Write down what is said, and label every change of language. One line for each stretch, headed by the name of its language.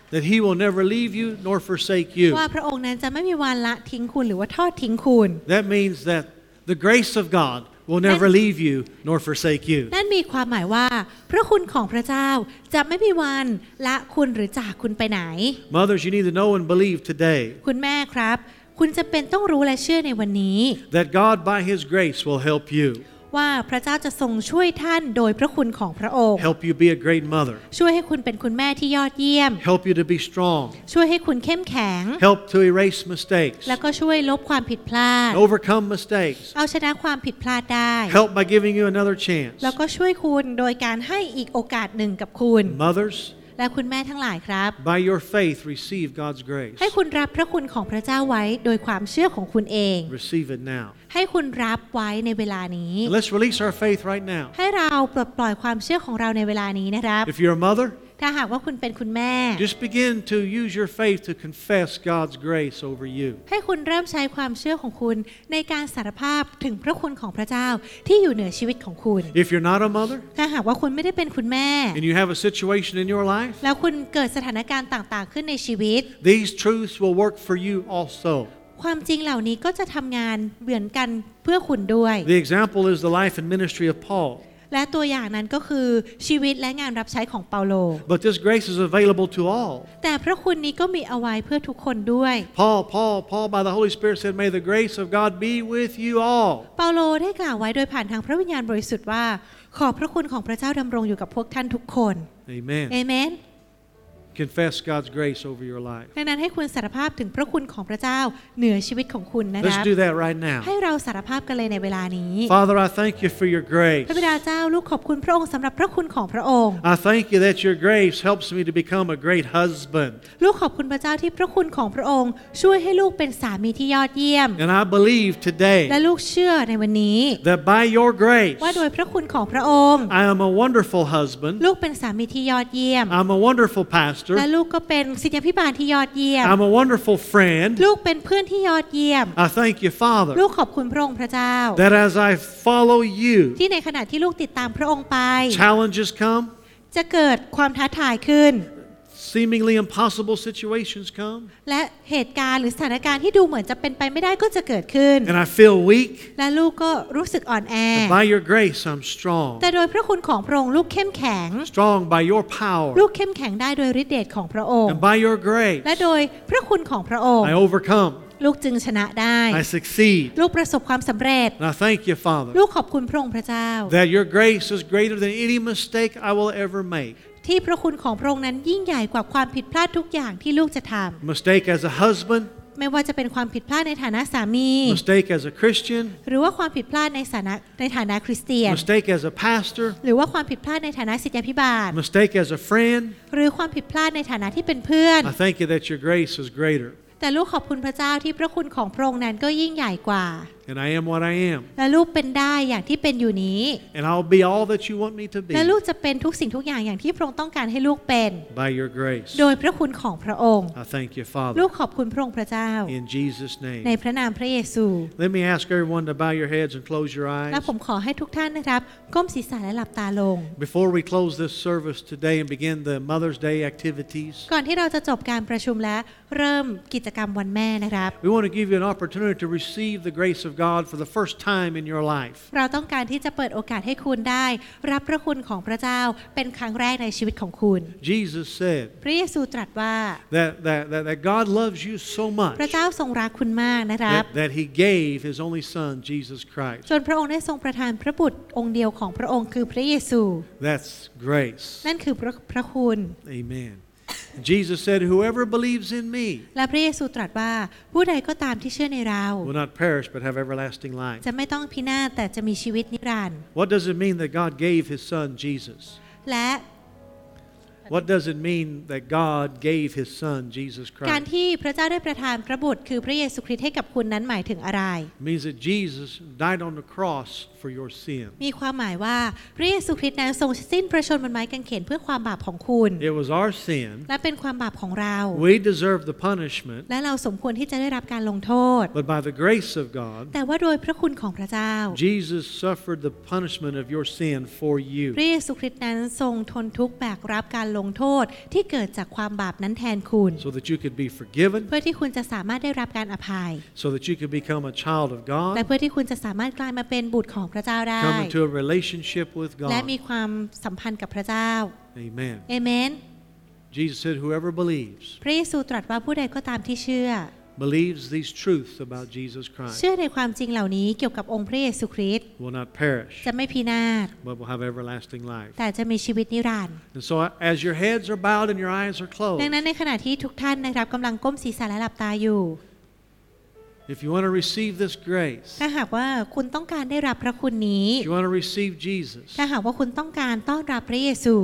English: That he will never leave you nor forsake you
Thai: ว่าพระองค์นั้นจะไม่มีวันละทิ้งคุณหรือว่าทอดทิ้งคุณ
English: That means thatThe grace of God will never leave you nor forsake you.
Thai: นั่นมีความหมายว่าพระคุณของพระเจ้าจะไม่มีวันละคุณหรือจากคุณไปไหน
English: Mothers, you need to know and believe today.
Thai: คุณแม่ครับคุณจำเป็นต้องรู้และเชื่อในวันนี้
English: That God by His grace will help you.
Thai: ว่าพระเจ้าจะทรงช่วยท่านโดยพระคุณของพระองค์
English: Help you be a great mother.
Thai: ช่วยให้คุณเป็นคุณแม่ที่ยอดเยี่ยม
English: Help you to be strong.
Thai: ช่วยให้คุณเข้มแข็ง
English: Help to erase mistakes.
Thai: แล้วก็ช่วยลบความผิดพลาด
English: Overcome mistakes.
Thai: เอาชนะความผิดพลาดได้
English: Help by giving you another chance.
Thai: แล้วก็ช่วยคุณโดยการให้อีกโอกาสหนึ่งกับคุณ
English: Mothers.
Thai: และคุณแม่ทั้งหลายครับ
English: By your faith receive God's grace
Thai: ให้คุณรับพระคุณของพระเจ้าไว้โดยความเชื่อของคุณเอง
English: Receive it now
Thai: ให้คุณรับไว้ในเวลานี้
English: Let's release our faith right now
Thai: ให้เราปลดปล่อยความเชื่อของเราในเวลานี้นะครับ
English: If you're a mother
Thai: ถ้าหากว่าคุณเป็นคุณแม่
English: Just begin to use your faith to confess God's grace over you
Thai: ให้คุณเริ่มใช้ความเชื่อของคุณในการสารภาพถึงพระคุณของพระเจ้าที่อยู่เหนือชีวิตของคุณ
English: If you're not a mother
Thai: ถ้าหากว่าคุณไม่ได้เป็นคุณแม่
English: And you have a situation in your life
Thai: แล้วคุณเกิดสถานการณ์ต่างๆขึ้นในชีวิต
English: These truths will work for you also
Thai: ความจริงเหล่านี้ก็จะทำงานเหมือนกันเพื่อคุณด้วย
English: The example is the life and ministry of Paul
Thai: และตัวอย่างนั้นก็คือชีวิตและงานรับใช้ของเปาโล
English: But this grace is available to all
Thai: แต่พระคุณนี้ก็มีเอาไว้เพื่อทุกคนด้วย
English: Paul by the Holy Spirit said may the grace of God be with you all
Thai: เปาโลได้กล่าวไว้โดยผ่านทางพระวิญญาณบริสุทธิ์ว่าขอพระคุณของพระเจ้าดำรงอยู่กับพวกท่านทุกคน
English: Amen Amen Confess God's grace over your life.
Thai: ดังนั้นให้คุณสารภาพถึงพระคุณของพระเจ้าเหนือชีวิตของคุณนะครับ
English: Let's do that right now.
Thai: ให้เราสารภาพกันเลยในเวลานี้
English: Father, I thank you for your grace.
Thai: พระบิดาเจ้าลูกขอบคุณพระองค์สำหรับพระคุณของพระองค์
English: I thank you that your grace helps me to become a great husband.
Thai: ลูกขอบคุณพระเจ้าที่พระคุณของพระองค์ช่วยให้ลูกเป็นสามีที่ยอดเยี่ยม
English: And I believe today.
Thai: และลูกเชื่อในวันนี้
English: That by your grace.
Thai: ว่าโดยพระคุณของพระองค์
English: I am a wonderful husband.
Thai: ลูกเป็นสามีที่ยอดเยี่ยม
English: I'm a wonderful pastor.
Thai: และลูกก็เป็นศิษยาภิบาลที่ยอดเยี่ยม
English: I'm a wonderful friend
Thai: ลูกเป็นเพื่อนที่ยอดเยี่ยม
English: I thank you Father
Thai: ลูกขอบคุณพระองค์พระเจ้า
English: That as I follow you
Thai: ที่ในขณะที่ลูกติดตามพระองค์ไป
English: Challenges come
Thai: จะเกิดความท้าทายขึ้น
English: Seemingly impossible situations come
Thai: และเหตุการณ์หรือสถานการณ์ที่ดูเหมือนจะเป็นไปไม่ได้ก็จะเกิดขึ้น
English: And I feel weak
Thai: และลูกก็รู้สึกอ่อนแอ
English: By your grace I'm strong
Thai: แต่โดยพระคุณของพระองค์ลูกเข้มแข็ง
English: Strong by your power
Thai: ลูกเข้มแข็งได้โดยฤทธิ์เดชของพระองค์
English: And by your grace
Thai: และโดยพระคุณของพระองค์
English: I overcome
Thai: ลูกจึงชนะได้
English: I succeed
Thai: ลูกประสบความสำเร็จ
English: And I thank you Father
Thai: ลูกขอบคุณพระองค์พระเจ้า
English: That your grace is greater than any mistake I will ever make
Thai: ที่พระคุณของพระองค์นั้นยิ่งใหญ่กว่าความผิดพลาดทุกอย่างที่ลูกจะทำ
English: Mistake as a husband
Thai: ไม่ว่าจะเป็นความผิดพลาดในฐานะสามี
English: Mistake as a Christian
Thai: หรือว่าความผิดพลาดในฐานะคริสเตียน
English: Mistake as a pastor
Thai: หรือว่าความผิดพลาดในฐานะศิษยาภิบาล
English: Mistake as a friend
Thai: หรือความผิดพลาดในฐานะที่เป็นเพื่อน
English: I thank you that your grace is greater
Thai: แต่ลูกขอบคุณพระเจ้าที่พระคุณของพระองค์นั้นก็ยิ่งใหญ่กว่า
English: And I am what I am
Thai: และลูกเป็นได้อย่างที่เป็นอยู่นี้
English: And I'll be all that you want me to be
Thai: และลูกจะเป็นทุกสิ่งทุกอย่างอย่างที่พระองค์ต้องการให้ลูกเป็น
English: By your grace
Thai: โดยพระคุณของพระองค์
English: I thank you Father
Thai: ลูกขอบคุณพระองค์พระเจ้า
English: In Jesus name
Thai: ในพระนามพระเยซู
English: Let me ask everyone to bow your heads and close your eyes
Thai: และผมขอให้ทุกท่านนะครับก้มศีรษะและหลับตาลง
English: Before we close this service today and begin the Mother's Day activities
Thai: ก่อนที่เราจะจบการประชุมและเริ่มกิจกรรมวันแม่นะครับ
English: We want to give you an opportunity to receive the graceOf God for the first time in your life.
Thai: เราต้องการที่จะเปิดโอกาสให้คุณได้รับพระคุณของพระเจ้าเป็นครั้งแรกในชีวิตของคุณ
English: Jesus said.
Thai: พระเยซูตรัสว่า
English: That God loves you so much.
Thai: พระเจ้าทรงรักคุณมากนะครับ
English: That He gave His only Son, Jesus Christ.
Thai: จนพระองค์ได้ทรงประทานพระบุตรองค์เดียวของพระองค์คือพระเยซู
English: That's grace.
Thai: นั่นคือพระคุณ
English: Amen. Jesus said, "Whoever believes in me."
Thai: และพระเยซูตรัสว่าผู้ใดก็ตามที่เชื่อในเรา
English: will not perish but have everlasting life.
Thai: จะไม่ต้องพินาศแต่จะมีชีวิตนิรันดร์
English: What does it mean that God gave His Son Jesus?
Thai: และ
English: What does it mean that God gave His Son Jesus Christ?
Thai: การที่พระเจ้าได้ประทานพระบุตรคือพระเยซูคริสต์ให้กับคุณนั้นหมายถึงอะไร
English: Means that Jesus died on the cross for your sin.
Thai: มีความหมายว่าพระเยซูคริสต์นั้นทรงสิ้นพระชนม์บนไม้กางเขนเพื่อความบาปของคุณ
English: It was our sin.
Thai: และเป็นความบาปของเรา
English: We deserve the punishment.
Thai: และเราสมควรที่จะได้รับการลงโทษ
English: But by the grace of God.
Thai: แต่ว่าโดยพระคุณของพระเจ้า
English: Jesus suffered the punishment of your sin for you.
Thai: พระเยซูคริสต์นั้นทรงทนทุกข์แบกรับการลงโทษที่เกิดจากความบาปนั้นแทนคุณ
English: So that you could be forgiven.
Thai: เพื่อที่คุณจะสามารถได้รับการอภัย
English: So that you could become a child of God.
Thai: และเพื่อที่คุณจะสามารถกลายมาเป็นบุตรของพระเจ้าได้
English: Come into a relationship with God.
Thai: และมีความสัมพันธ์กับพระเจ้า
English: Amen. Amen. Jesus said, "Whoever believes."
Thai: พระเยซูตรัสว่าผู้ใดก็ตามที่เชื่อ
English: believes these truths about Jesus Christ.
Thai: เชื่อในความจริงเหล่านี้เกี่ยวกับองค์พระเยซูคริสต์
English: will not perish.
Thai: จะไม่พินาศ
English: but will have everlasting life.
Thai: แต่จะมีชีวิตนิรันดร์
English: And so, as your heads are bowed and your eyes are closed.
Thai: ดังนั้นในขณะที่ทุกท่านนะครับกำลังก้มศีรษะและหลับตาอยู่
English: If you want to receive this grace,
Thai: ถ้าหากว่าคุณต้องการได้รับพระคุณนี้
English: If you want to receive Jesus,
Thai: ถ้าหากว่าคุณต้องการต้อนรับพระเยซู